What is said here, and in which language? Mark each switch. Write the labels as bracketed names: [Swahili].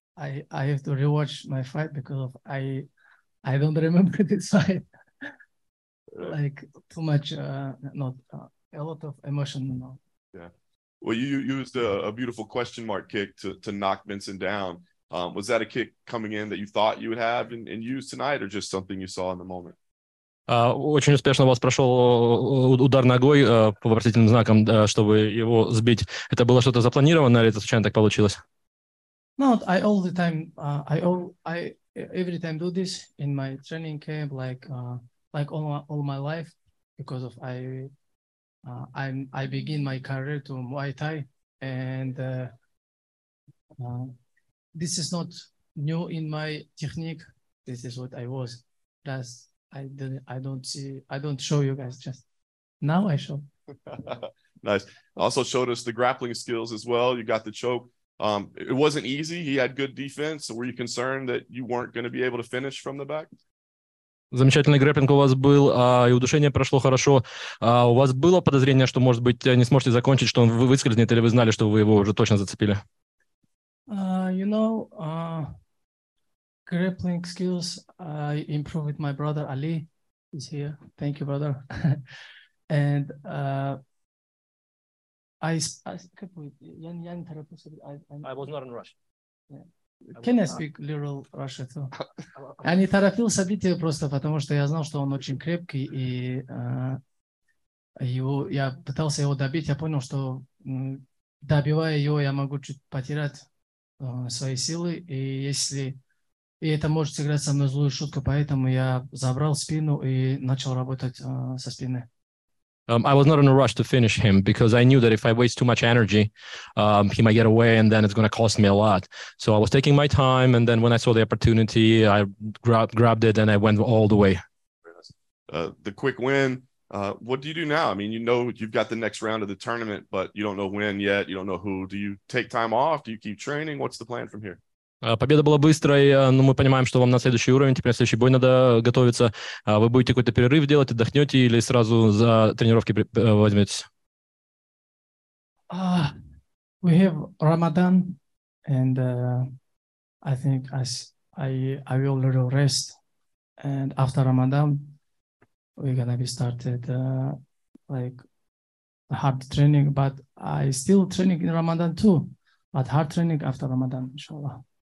[English] I have to rewatch my fight because of I don't remember this fight. Like too much, a lot of emotion. You know? Yeah. Well, you used a beautiful question mark kick to knock Benson down. Was that a kick coming in that you thought you would have and use tonight, or just something you saw in the moment? [Russian] Очень успешно у вас прошел удар ногой по вопросительным знакам, чтобы его сбить. Это было что-то запланированное, или это случайно так получилось? [English] No, I all the time, I every time do this in my training camp, like all my life, because of I begin my career to Muay Thai, and this is not new in my technique. This is what I was. That's I don't show you guys. Just now I show. Nice. Also showed us the grappling skills as well. You got the choke. It wasn't easy. He had good defense. So were you concerned that you weren't going to be able to finish from the back? [Russian] Замечательный грэппинг у вас был, и удушение прошло хорошо. У вас было подозрение, что, может быть, не сможете закончить, что он выскользнет, или вы знали, что вы его уже точно зацепили? [English] You know, grappling skills, I improved my brother Ali is here. Thank you, brother. And I was not in Russia. Can I speak literal Russian too? [Russian] Я не торопил события просто, потому что я знал, что он очень крепкий, и я пытался его добить. Я понял, что добивая его, я могу чуть потерять свои силы, и это может сыграть со мной злую шутку, поэтому я забрал спину и начал работать со спины. [English] I was not in a rush to finish him because I knew that if I waste too much energy, he might get away and then it's going to cost me a lot. So I was taking my time, and then when I saw the opportunity, I grabbed it and I went all the way. The quick win, what do you do now? I mean, you know you've got the next round of the tournament, but you don't know when yet, you don't know who. Do you take time off? Do you keep training? What's the plan from here? [Russian] Победа была быстрой, но мы понимаем, что вам на следующий уровень, теперь на следующий бой надо готовиться. Вы будете какой-то перерыв делать, отдохнете или сразу за тренировки возьметесь? [English] We have Ramadan, and I think I will a little rest. And after Ramadan, we're going to be started like hard training, but I still training in Ramadan too, but hard training after Ramadan, inshallah.